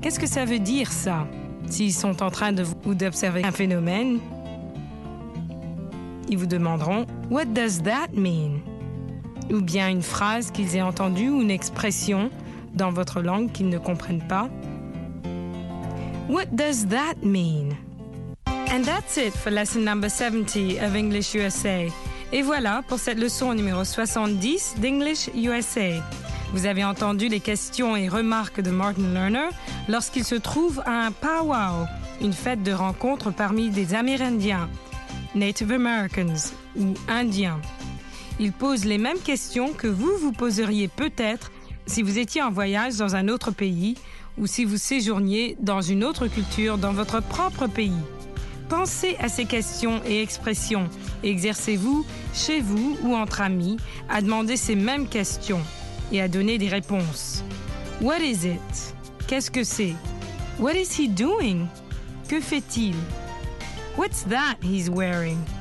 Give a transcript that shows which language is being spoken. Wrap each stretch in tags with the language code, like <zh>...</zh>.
<fr>Qu'est-ce que ça veut dire, ça ? S'ils sont en train de ou d'observer un phénomène, ils vous demanderont «</fr> <en>What does that mean ?»</en> <fr>ou bien une phrase qu'ils aient entendue ou une expression dans votre langue qu'ils ne comprennent pas. « What does that mean ?»</fr> <en>And that's it for lesson number 70 of English USA.</en> <fr>Et voilà pour cette leçon numéro 70 d'English USA. Vous avez entendu les questions et remarques de Martin Lerner lorsqu'il se trouve à un powwow, une fête de rencontre parmi des Amérindiens. Native Americans ou Indiens. Ils posent les mêmes questions que vous vous poseriez peut-être si vous étiez en voyage dans un autre pays ou si vous séjourniez dans une autre culture dans votre propre pays. Pensez à ces questions et expressions. Exercez-vous, chez vous ou entre amis, à demander ces mêmes questions et à donner des réponses.</fr> <en>What is it?</en> <fr>Qu'est-ce que c'est?</fr> <en>What is he doing?</en> <fr>Que fait-il?</fr> <en>What's that he's wearing?</en>